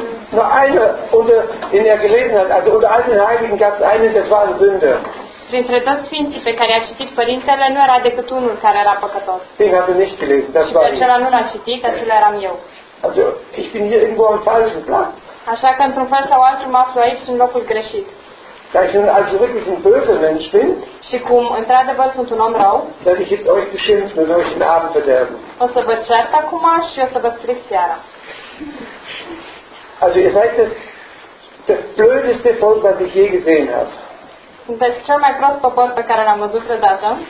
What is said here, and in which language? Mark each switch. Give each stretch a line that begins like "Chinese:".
German: Es war eine, unter, den er gelesen hat, also unter all den Heiligen gab es eine, das war eine Sünde.
Romanian: Printre toți sfinții pe care a citit părintele, nu era decât unul care era păcătos.
German: Den hatte nicht gelesen, das war ich.
Romanian: Și acela nu l-a citit, acela eram eu.
German: Also, ich bin hier irgendwo am falschen Platz.
Romanian: Așa că, într-un fel sau altul, mă aflu aici, în locul greșit.
German: Da ich nun also wirklich ein böser Mensch bin,
Romanian: și cum, într-adevăr, sunt un om rău,
German: dass ich jetzt euch beschimpf und euch den Abend verderben.
Romanian: O să vă cert acum și o să vă stric seara.
German: Also ihr seid das blödeste Volk, was ich je gesehen habe.
Romanian: Sunteți cel mai prost popor pe care l-am văzut vreodată.